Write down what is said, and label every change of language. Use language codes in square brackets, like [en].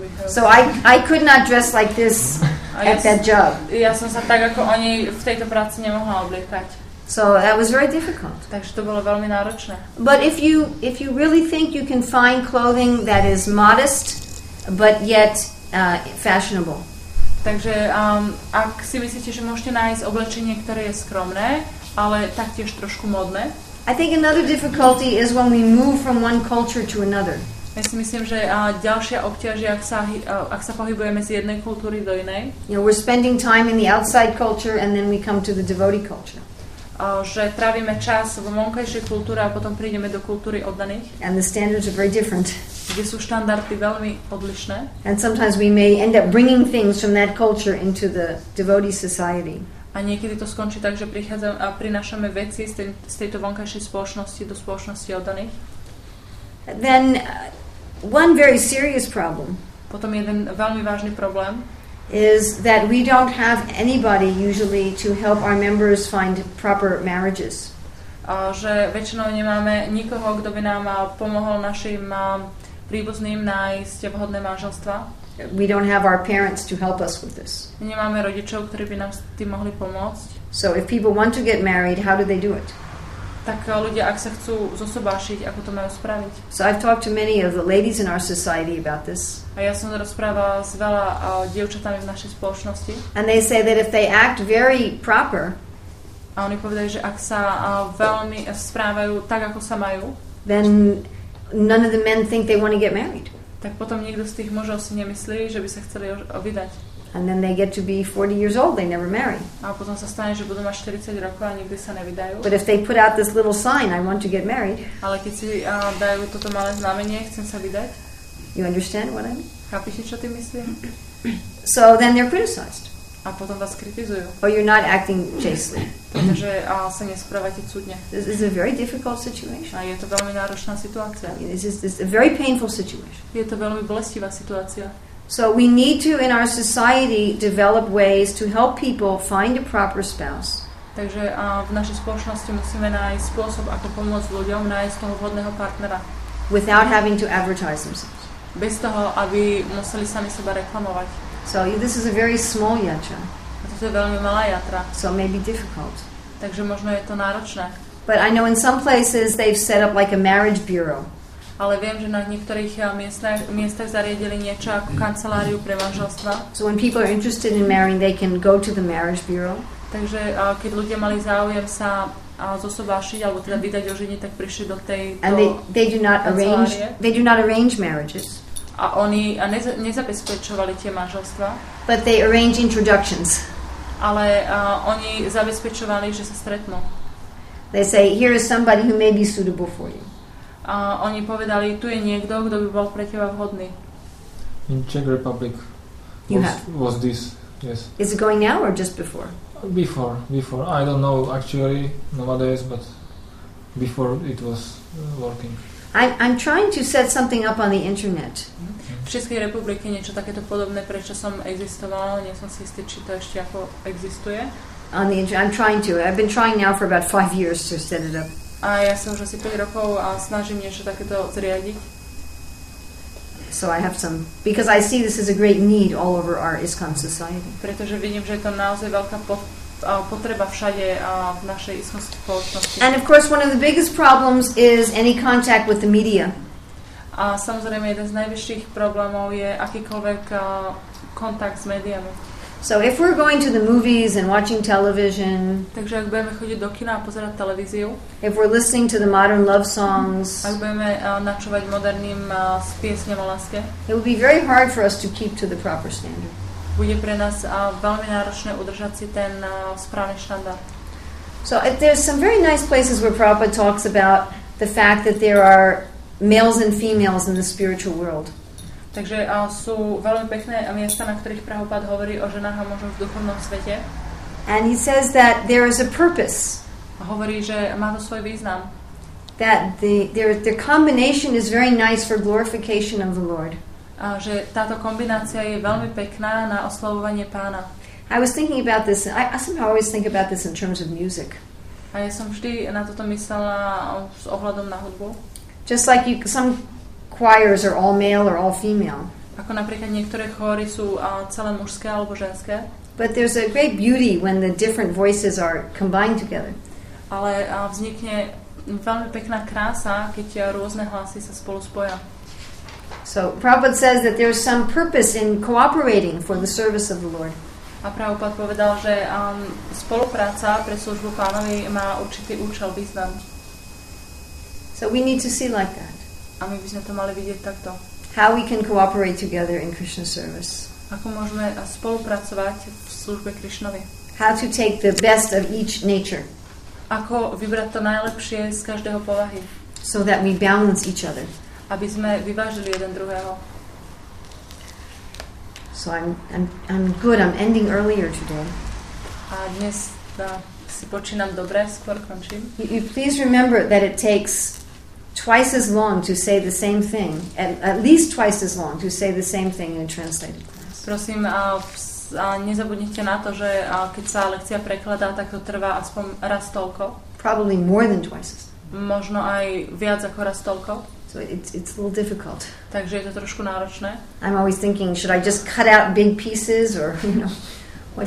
[en] So I could not dress like this at that job. [sk] Ja som sa tak ako oni v tejto práci nemohla obliekať. [en] So that was very difficult. [sk] Takže to bolo veľmi náročné. [en] But if you really think you can find clothing that is modest but yet fashionable. [sk] Takže ak si myslíte, že môžete nájsť oblečenie, ktoré je skromné, ale taktiež trošku modné. [en] I think another difficulty is when we move from one culture to another. [sk] Ja si myslím, že ďalšia obťaž je, ak sa pohybujeme z jednej kultúry do inej. [en] You know, we're spending time in the outside culture and then we come to the devotee culture. [sk] Že trávime čas v vonkajšej kultúre a potom prídeme do kultúry oddaných. [en] And the standards are very different. [sk] Kde sú štandardy veľmi odlišné. [en] And sometimes we may end up bringing things from that culture into the devotee society. [sk] A niekedy to skončí tak, že prichádzame a prinášame veci z tejto vonkajšej spoločnosti do spoločnosti oddaných. [en] Then one very serious problem. [sk] Potom jeden veľmi vážny problém. [en] Is that we don't have anybody usually to help our members find proper marriages. [sk] Že väčšinou nemáme nikoho, kto by nám pomohol našim príbuzným nájsť vhodné manželstvá. [en] We don't have our parents to help us with this. [sk] Nemáme rodičov, ktorí by nám s tým mohli pomôcť. [en] So if people want to get married, how do they do it? [sk] Tak ľudia, ak sa chcú zosobášiť, ako to majú spraviť? [en] So I've talked to many of the ladies in our society about this. [sk] A ja som rozprávala s veľa dievčatami v našej spoločnosti. [en] And they say that if they act very proper, [sk] a oni povedali, že ak sa veľmi správajú tak, ako sa majú, [en] then none of the men think they want to get married. [sk] Tak potom nikto z tých mužov si nemyslí, že by sa chceli vydať. [en] And then they get to be 40 years old, they never marry. [sk] A potom sa stane, že budú mať 40 rokov a nikdy sa nevydajú. [en] But if they put out this little sign, I want to get married. [sk] Ale keď si dajú toto malé znamenie, chcem sa vydať. [en] You understand what I mean? [sk] Chápite, čo tým myslím? [en] So then they're criticized. [sk] A potom vás kritizujú. [en] Or you're not acting chastely. [sk] Pretože sa nespravíte cudne. [en] This is a very difficult situation. [sk] A je to veľmi náročná situácia. [en] This is a very painful situation. [sk] Je to veľmi bolestivá situácia. [en] So we need to in our society develop ways to help people find a proper spouse. [sk] Takže v našej spoločnosti musíme nájsť spôsob, ako pomôcť ľuďom nájsť toho vhodného partnera. [en] Without having to advertise themselves. [sk] Bez toho, aby museli sami seba reklamovať. [en] So this is a very small yatra. [sk] A to je veľmi malá yatra. [en] So it may be difficult. [sk] Takže možno je to náročné. [en] But I know in some places they've set up like a marriage bureau. [sk] Ale viem, že na niektorých miestach zariadili niečo ako kanceláriu pre manželstva. [en] So when people are interested in marrying, they can go to the marriage bureau. [sk] Takže keď ľudia mali záujem sa zosobášiť alebo teda vydať oženie, tak prišli do tej kancelárie. [en] And they do not arrange marriages. [sk] A oni nezabezpečovali tie manželstva. [en] But they arrange introductions. [sk] Ale oni zabezpečovali, že sa stretnú. [en] They say, here is somebody who may be suitable for you. [sk] A oni povedali, tu je niekto, kto by bol pre teba vhodný. [en] In Czech Republic was this, yes. Is it going now or just before? Before. I don't know actually nowadays, but before it was working. I'm trying to set something up on the internet. [sk] V Českej republike niečo takéto podobné predčasom existovalo, nie som si istý, či to ešte ako existuje. [en] On the internet, I'm trying to. I've been trying now for about 5 years to set it up. [sk] A ja sa už asi 5 rokov a snažím niečo takéto zriadiť. [en] So I have some, because I see this is a great need all over our ISKCON society. [sk] Pretože vidím, že je to naozaj veľká potreba všade v našej ISKCON spoločnosti. [en] And of course one of the biggest problems is any contact with the media. [sk] A samozrejme jeden z najväčších problémov je akýkoľvek kontakt s médiami. [en] So if we're going to the movies and watching television, [sk] takže ak budeme chodiť do kina a pozerať televíziu, [en] if we're listening to the modern love songs, [sk] ak budeme načúvať moderným piesňam o láske, [en] it will be very hard for us to keep to the proper standard. [sk] Bude pre nás veľmi náročné udržať si ten správny štandard. [en] So there's some very nice places where Prabhupada talks about the fact that there are males and females in the spiritual world. [sk] Takže sú veľmi pekné miesta, na ktorých Prabhupada hovorí o ženách a mužoch v duchovnom svete. [en] And he says that there is a purpose. [sk] A hovorí, že má to svoj význam. [en] That the combination is very nice for glorification of the Lord. [sk] A že táto kombinácia je veľmi pekná na oslavovanie Pána. [en] I was thinking about this. I somehow always think about this in terms of music. [sk] A ja som vždy na toto myslela s ohľadom na hudbu. [en] Just like you, some choirs are all male or all female. [sk] Ako napríklad niektoré chóry sú celé mužské alebo ženské. [en] But there's a great beauty when the different voices are combined together. [sk] Ale vznikne veľmi pekná krása, keď rôzne hlasy sa spolu spoja. [en] So Prabhupada says that there's some purpose in cooperating for the service of the Lord. [sk] A Prabhupada povedal, že spolupráca pre službu Pánovi má určitý účel, význam. [en] So we need to see like that. [sk] A my by sme to mali vidieť takto. [en] How we can cooperate together in Krishna service. [sk] Ako môžeme spolupracovať v službe Krišnovi. [en] How to take the best of each nature. [sk] Ako vybrať to najlepšie z každého povahy. [en] So that we balance each other. [sk] Aby sme vyvážili jeden druhého. [en] So I'm good. I'm ending earlier today. [sk] A dnes si počínam dobre, skôr končím. [en] You please remember that it takes twice as long to say the same thing, at least twice as long to say the same thing in translated class. [sk] Prosím, nezabudnite na to, že keď sa lekcia prekladá, tak to trvá aspoň raz toľko. [en] Probably more than twice as long. [sk] Možno aj viac ako raz toľko. [en] So it's a little difficult. [sk] Takže je to trošku náročné. [en] I'm always thinking, should I just cut out big pieces or, you know, what